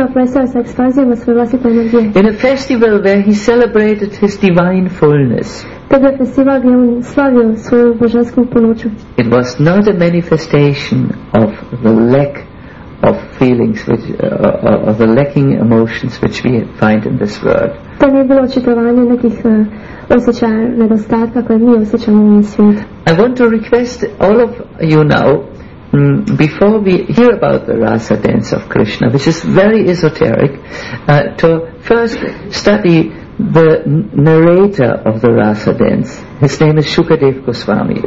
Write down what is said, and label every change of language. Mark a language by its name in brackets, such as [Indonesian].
[English] In a festival where he celebrated his divine fullness. It was not a manifestation of the lack of feelings, of the lacking emotions which we find in this world. [Croatian] To nije bilo očitovanje nekih osjećaja nedostatka koje mi osjećamo u ovom svijetu. [English] I want to request all of you now, before we hear about the rasa dance of Krishna, which is very esoteric, to first study the narrator of the Rasa dance. His name is Shukadev Goswami.